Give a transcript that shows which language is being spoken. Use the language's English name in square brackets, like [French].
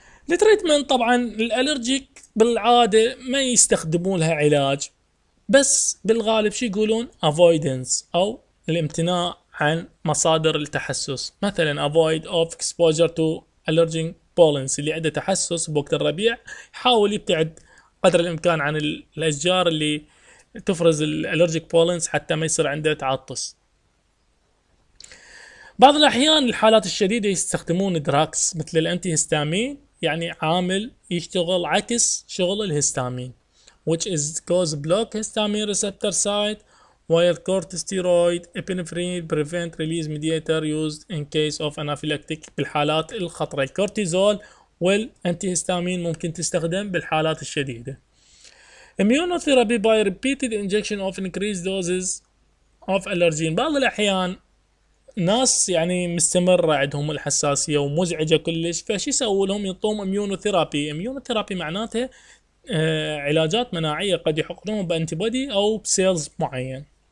[Arabic] التريتمنت طبعا الالرجيك بالعاده ما يستخدمون لها علاج، بس بالغالب شي يقولون افويدنس او الامتناع عن مصادر التحسس، مثلا [English] avoid of exposure to allergen pollens، [Arabic] اللي عنده تحسس بوقت الربيع حاول يبتعد قدر الامكان عن الاشجار اللي تفرز الallergic pollens حتى ما يصير عنده تعطس. بعض الاحيان الحالات الشديده يستخدمون دراكس مثل الانتيهستامين، يعني عامل يشتغل عكس شغل الهستامين. [English] which is cause block histamine receptor site, while corticosteroid epinephrine prevent release mediator used in case of anaphylactic [Arabic] بالحالات الخطرة. الكورتيزول والانتيهستامين ممكن تستخدم بالحالات الشديدة. [English] Immunotherapy by repeated injection of increased doses of allergen. [Arabic] بعض الأحيان ناس يعني مستمرة عندهم الحساسية ومزعجة كلش، فشي سووا لهم؟ يعطوهم immunotherapy. immunotherapy معناتها علاجات مناعية قد يحقنهم بانتيبادي أو بسيلز معين.